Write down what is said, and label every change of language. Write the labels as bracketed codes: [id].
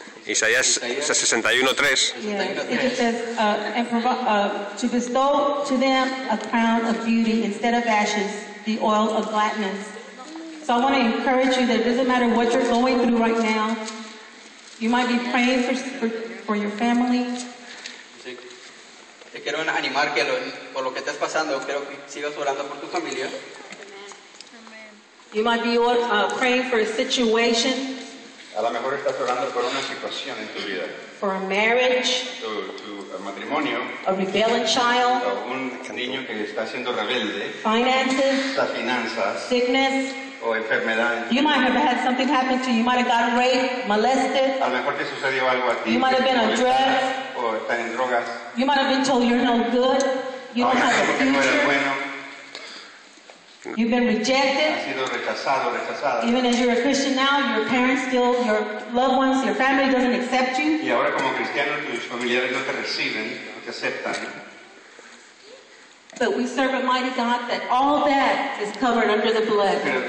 [es] Isaías 61:3. [en] Yeah, it says, to bestow to them a crown of beauty instead of ashes, the oil of gladness. So I want to encourage you that it doesn't matter what you're going through right now. You might be praying for your family. [es] Te quiero animar que por lo que estás pasando, quiero que sigas orando por tu familia. [en] You might be praying for a situation. [es] A lo mejor estás orando por una situación en tu vida. [en] For a marriage. [es] Tu matrimonio. [en] A rebellious child. [es] Un niño que está siendo rebelde. [en] Finances. [es] Las finanzas. [en] Sickness. [es] O enfermedad. [en] You might have had something happen to you. You might have got raped, molested. [es] A lo mejor te sucedió algo a ti. [en] You might have been a drug. [es] O están en drogas. [en] You might have been told you're no good. You don't have a future. You've been rejected. [es] Ha sido rechazado, rechazada. [en] Even as you're a Christian now, your parents still, your loved ones, your family doesn't accept you. [es] Y ahora como cristiano, tus familiares no te reciben, no te aceptan. [en] But we serve a mighty God that all that is covered under the blood.